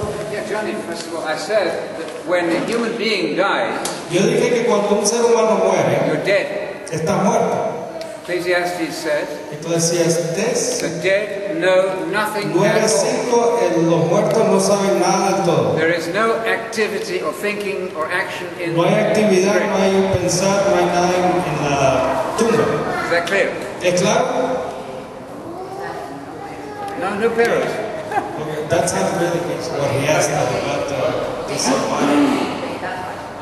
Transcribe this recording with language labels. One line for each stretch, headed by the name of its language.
English: Yeah, Johnny, first of all, I said that when a human being dies,
Spanish: yo dije que cuando un ser humano muere,
English: you're dead.
Spanish: Está muerto.
English: Ecclesiastes said, Ecclesiastes, the dead know nothing at all. There is no activity or thinking or action in
Spanish: No hay pensar, no hay nada en la tumba.
English: Is that clear?
Spanish: ¿Es claro?
English: No, no parents. Okay, that's not really what he asked about.